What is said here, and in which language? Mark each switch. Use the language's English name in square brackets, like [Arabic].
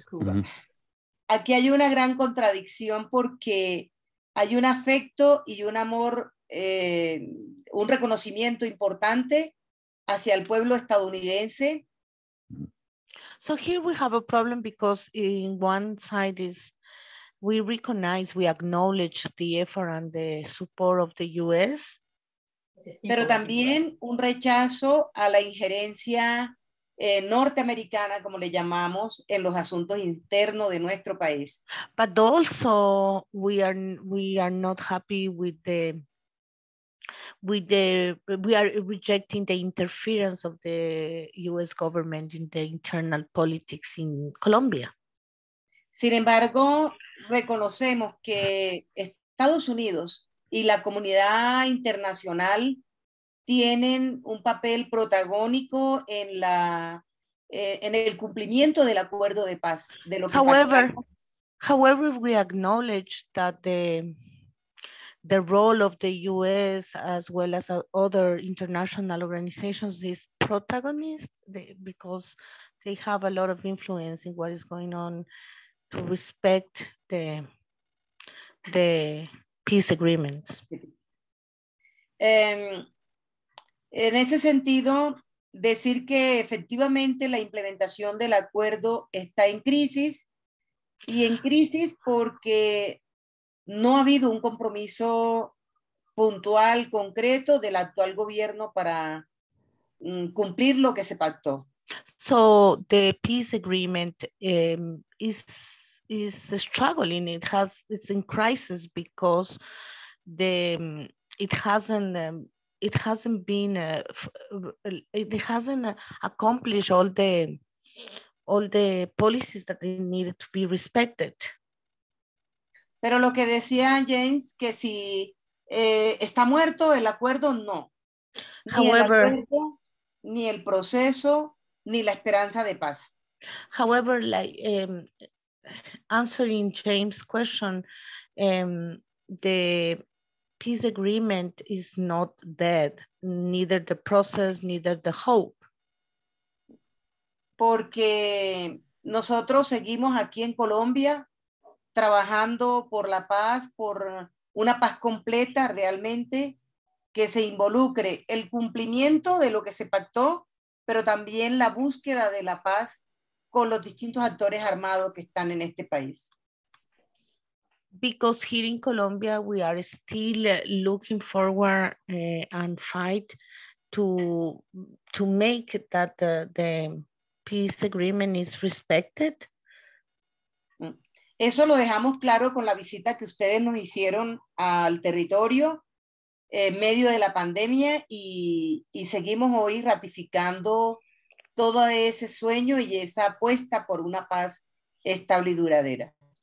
[Spanish] Mm-hmm. Aquí hay una gran contradicción porque hay un afecto y un amor, un reconocimiento importante hacia el pueblo estadounidense. [English] So here we have a problem because in one side is we recognize, we acknowledge the effort and the support of the U.S. [Spanish] Pero también un rechazo a la injerencia norteamericana, como le llamamos, en los asuntos internos de nuestro país. [English] But also we are not happy with the with the, we are rejecting the interference of the US government in the internal politics in Colombia. [Spanish] Sin embargo, reconocemos que Estados Unidos y la comunidad internacional tienen un papel protagónico en la en el cumplimiento del acuerdo de paz de lo que [English] however we acknowledge that the role of the US as well as other international organizations is protagonist because they have a lot of influence in what is going on to respect the peace agreements. [Spanish] En ese sentido, decir que efectivamente la implementación del acuerdo está en crisis y en crisis porque no ha habido un compromiso puntual, concreto del actual gobierno para cumplir lo que se pactó. [English] So the peace agreement is struggling. It's in crisis because it hasn't accomplished all the policies that it needed to be respected. [Spanish] Pero lo que decía James, que si está muerto el acuerdo, no. [English] However, [Spanish] ni el acuerdo, ni el proceso, ni la esperanza de paz. [English] However, like answering James' question, the peace agreement is not dead, neither the process, neither the hope. [Spanish] Porque nosotros seguimos aquí en Colombia trabajando por la paz, por una paz completa realmente, que se involucre el cumplimiento de lo que se pactó, pero también la búsqueda de la paz con los distintos actores armados que están en este país. [English] Because here in Colombia we are still looking forward and fight to make that the peace agreement is respected. [Spanish] Eso lo dejamos claro con la visita que ustedes nos hicieron al territorio en medio de la pandemia y seguimos hoy ratificando todo ese sueño y esa apuesta por una paz estable y duradera.